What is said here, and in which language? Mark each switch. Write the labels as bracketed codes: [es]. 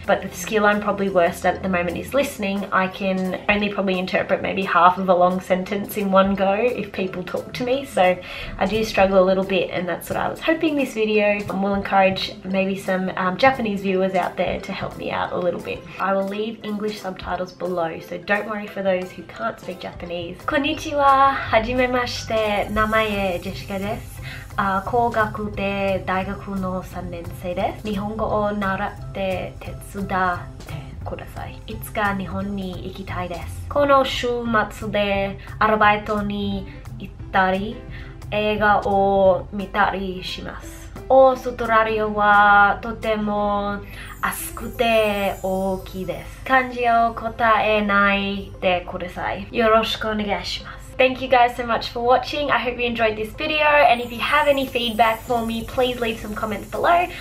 [en] But the skill I'm probably worst at the moment is listening. I can only probably interpret maybe half of a long sentence in one go if people talk to me, so I do struggle a little bit, and that's what I was hoping this video will encourage maybe some Japanese viewers out there to help me out a little bit. I will leave English subtitles below, so don't worry for those who can't speak Japanese. [ja] Konnichiwa, hajimemashite, namae Jessica desu. 工学で大学の3年生です。日本語を習って手伝ってください。いつか日本に行きたいです。この週末でアルバイトに行ったり、映画を見たりします。オーストラリアはとても暑くて大きいです。漢字を答えないでください。よろしくお願いします。 [en] Thank you guys so much for watching. I hope you enjoyed this video. And if you have any feedback for me, please leave some comments below.